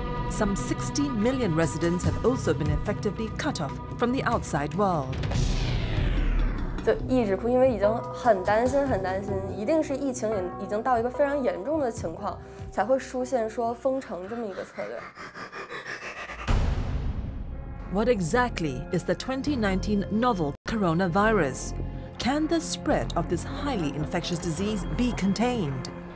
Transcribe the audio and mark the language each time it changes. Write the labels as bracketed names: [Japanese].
[English] Some 60 million residents have also been effectively cut off from the outside world. [Chinese] 就一直哭，因为已经很担心，一定是疫情已经到一个非常严重的情况，才会出现说封城这么一个策略。What [English] exactly is the 2019 novel coronavirus? Can the spread of this highly infectious disease be contained?